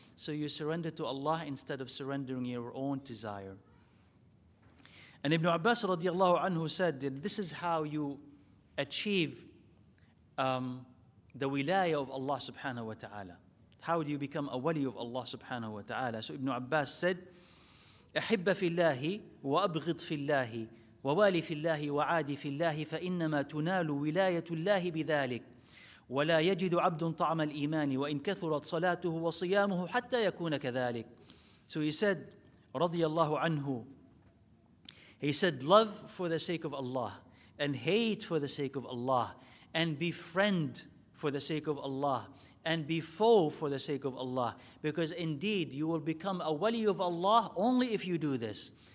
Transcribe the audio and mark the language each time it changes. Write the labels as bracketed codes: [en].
[en] So you surrender to Allah instead of surrendering your own desire. And Ibn Abbas radiallahu anhu said that this is how you achieve the wilayah of Allah subhanahu wa ta'ala. How do you become a wali of Allah subhanahu wa ta'ala? So Ibn Abbas said, [ar] أحب في الله وأبغض في الله ووالي في الله وعادي في الله فإنما تنال ولاية الله بذلك ولا يجد عبد طعم الإيمان وإن كثرت صلاته وصيامه حتى يكون كذلك. [en] So he said, [ar] رضي الله عنه, [en] he said, love for the sake of Allah and hate for the sake of Allah and befriend for the sake of Allah and be foe for the sake of Allah. Because indeed, you will become a wali of Allah only if you do this.